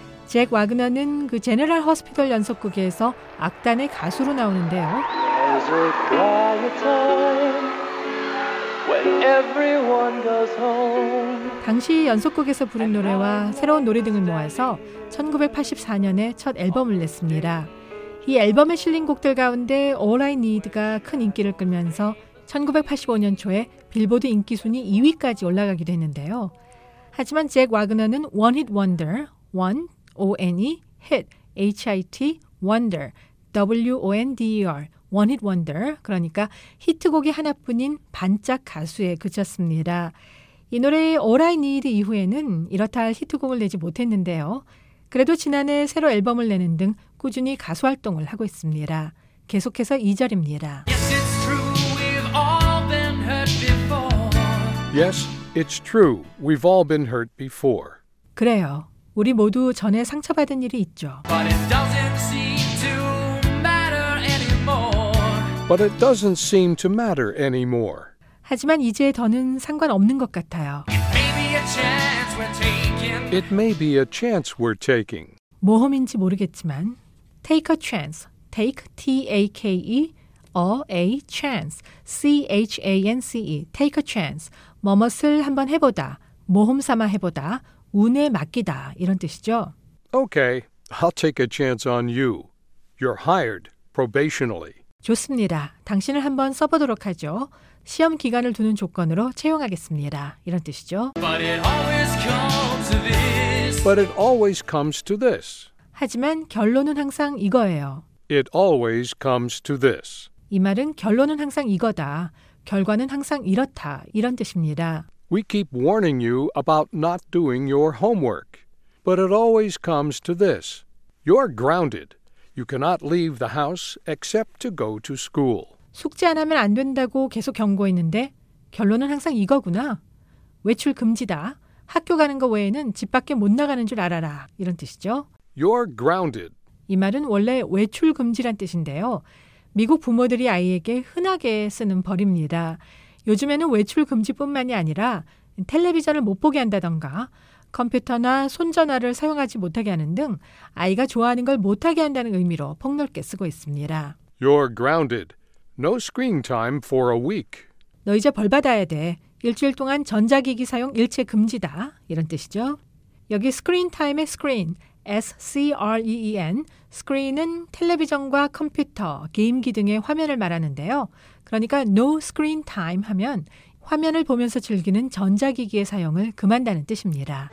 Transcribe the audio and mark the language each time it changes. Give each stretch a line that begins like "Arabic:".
Korean: 잭 와그너는 그 제네럴 허스피털 연속극에서 악단의 가수로 나오는데요.
English: There's a quiet time when everyone goes home.
Korean: 당시 연속극에서 부른 노래와 새로운 노래 등을 모아서 1984년에 첫 앨범을 냈습니다. 이 앨범에 실린 곡들 가운데 All I Need가 큰 인기를 끌면서 1985년 초에 빌보드 인기 순위 2위까지 올라가기도 했는데요. 하지만 잭 와그너는 One Hit Wonder, One, O-N-E, Hit, H-I-T, Wonder, W-O-N-D-E-R, One Hit Wonder, 그러니까 히트곡이 하나뿐인 반짝 가수에 그쳤습니다. 이 노래의 All I Need 이후에는 이렇다 할 히트곡을 내지 못했는데요. 그래도 지난해 새로 앨범을 내는 등 꾸준히 가수 활동을 하고 있습니다. 계속해서 2절입니다.
English: Yes, it's true, we've all been hurt before. Yes, it's true. We've all been hurt before.
Korean: 그래요. 우리 모두 전에 상처받은 일이 있죠.
English: But it doesn't seem to matter anymore. But it doesn't seem to matter anymore.
Korean: 하지만 이제 더는 상관없는 것 같아요.
English: It may be a chance we're taking. It may be a chance we're taking.
Korean: 모험인지 모르겠지만
English: take a chance. Take T-A-K-E. A chance, C-H-A-N-C-E, take a chance,
Korean: 뭐뭇을 한번 해보다, 모험삼아 해보다, 운에 맡기다, 이런 뜻이죠.
English: Okay, I'll take a chance on you. You're hired probationally.
Korean: 좋습니다. 당신을 한번 써보도록 하죠. 시험 기간을 두는 조건으로 채용하겠습니다, 이런 뜻이죠.
English: But it always comes to this. But it always comes to this.
Korean: 하지만 결론은 항상 이거예요.
English: It always comes to this.
Korean: 이 말은 결론은 항상 이거다, 결과는 항상 이렇다, 이런 뜻입니다.
English: We keep warning you about not doing your homework. But it always comes to this. You're grounded. You cannot leave the house except to go to school.
Korean: 숙제 안 하면 안 된다고 계속 경고했는데 결론은 항상 이거구나. 외출 금지다. 학교 가는 거 외에는 집 밖에 못 나가는 줄 알아라, 이런 뜻이죠.
English: You're grounded.
Korean: 이 말은 원래 외출 금지란 뜻인데요. 미국 부모들이 아이에게 흔하게 쓰는 벌입니다. 요즘에는 외출 금지뿐만이 아니라 텔레비전을 못 보게 한다던가 컴퓨터나 손전화를 사용하지 못하게 하는 등 아이가 좋아하는 걸 못하게 한다는 의미로 폭넓게 쓰고 있습니다.
English: You're grounded. No screen time for a week.
Korean: 너 이제 벌 받아야 돼. 일주일 동안 전자기기 사용 일체 금지다. 이런 뜻이죠. 여기 screen time의 screen, S-C-R-E-E-N, screen은 텔레비전과 컴퓨터, 게임기 등의 화면을 말하는데요. 그러니까 no screen time 하면 화면을 보면서 즐기는 전자기기의 사용을 그만다는 뜻입니다.